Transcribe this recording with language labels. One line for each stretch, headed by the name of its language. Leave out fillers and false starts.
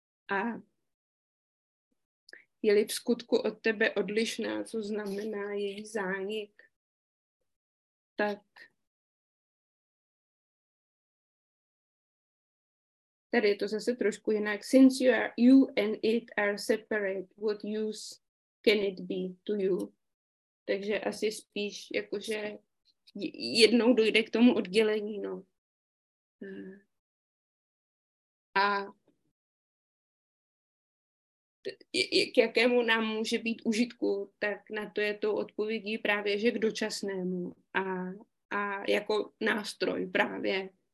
Czech: A je-li v skutku od tebe odlišná, co znamená její zánik, tak tady je to zase trošku jinak.
English: Since you and it are separate, what use can it be to you?
Czech: Takže asi spíš jakože jednou dojde k tomu oddělení, no. A k jakému nám může být užitku, tak na to je to odpovědí právě, že k dočasnému a jako nástroj právě.